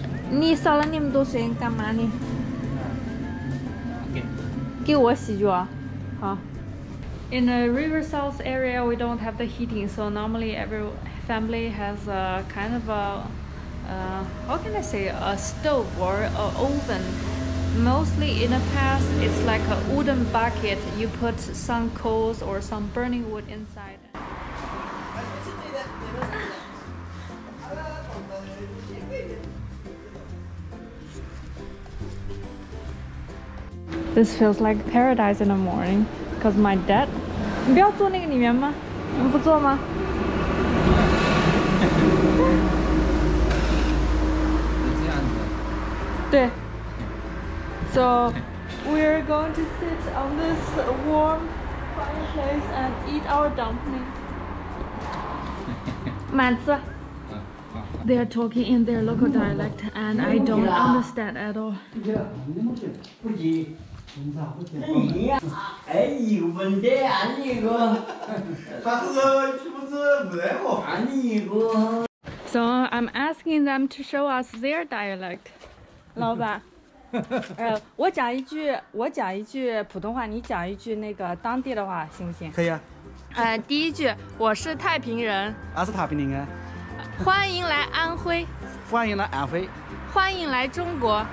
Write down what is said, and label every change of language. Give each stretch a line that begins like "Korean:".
Chinese: 你烧了那么多水干嘛呢？给我洗脚，好。
English: In a river south area, we don't have the heating, so normally every family has a kind of a, how can I say, a stove or an oven. Mostly in the past, it's like a wooden bucket. You put some coals or some burning wood inside. This feels like paradise in the morning, because my dad...
Chinese: 你不要坐那个里面吗？你不坐吗？这样子。对。
English: So we're going to sit on this warm fireplace and eat our dumplings.
Chinese: 满吃。
English: They are talking in their local dialect, and I don't understand at all.
Chinese: 不急。你咋不听话？哎呀，哎，你个笨蛋，你个，但是听不是任何喊你一个。
English: So I'm asking them to show us their dialect.
Chinese: 老板，我讲一句，我讲一句普通话，你讲一句那个当地的话，行不行？可以啊。第一句，我是太平人。啊，是太平人啊。欢迎来安徽。欢迎来安徽。欢迎来中国。